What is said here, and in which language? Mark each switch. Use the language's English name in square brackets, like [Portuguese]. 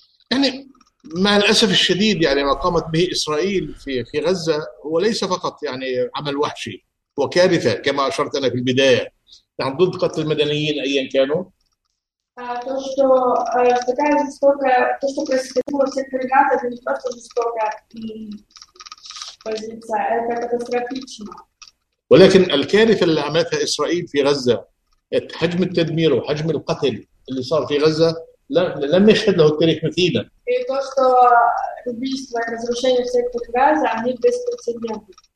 [Arabic] يعني مع الأسف الشديد يعني ما قامت به إسرائيل في غزة هو ليس فقط يعني عمل وحشي وكارثة كما أشرت أنا في البداية، نحن ضد قتل المدنيين أيا كانوا. [Russian] То, что такая жестокая, то, что происходило в секторе Газа, это не просто жестокая позиция, это катастрофично. [Arabic] ولكن الكارثة اللي عملتها إسرائيل في غزة، حجم التدمير وحجم القتل اللي صار في غزة لم يشهد له التاريخ مثيلا. [Russian] И то, что убийство и разрушение в секторе Газа, они беспрецедентны.